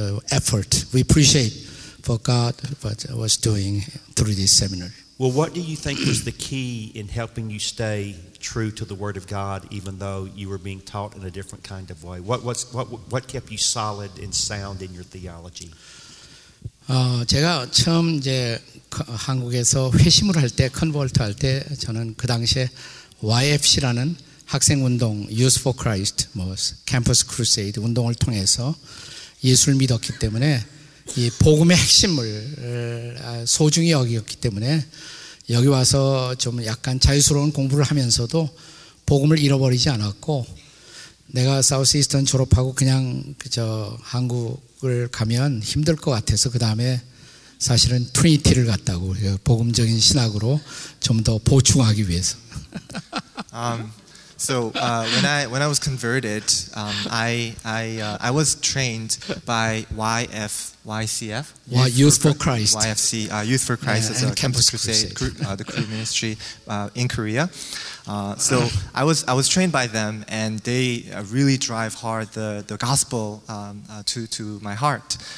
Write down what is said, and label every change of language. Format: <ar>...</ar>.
<en>Effort we appreciate for God what was doing through this seminary. Well, what do you think was the key in helping you stay true to the Word of God, even though you were being taught in a different kind of way? What kept you solid and sound in your theology?</en> <ko>제가 처음 이제 한국에서 회심을 할 때, 컨버트 할 때, 저는 그 당시에 YFC라는 학생 운동, Youth for Christ, 뭐 Campus Crusade 운동을 통해서 예수를 믿었기 때문에 이 복음의 핵심을 소중히 여기었기 때문에 여기 와서 좀 약간 자유스러운 공부를 하면서도 복음을 잃어버리지 않았고 내가 사우스이스턴 졸업하고 그냥 그저 한국을 가면 힘들 것 같아서 그 다음에 사실은 트리니티를 갔다고 복음적인 신학으로 좀 더 보충하기 위해서.</ko> <en>When I was converted, I was trained by YCF. YFC, Youth for Christ, yeah, and Campus Crusade. The crew ministry in Korea. I was trained by them, and they really drive hard the gospel to my heart.</en>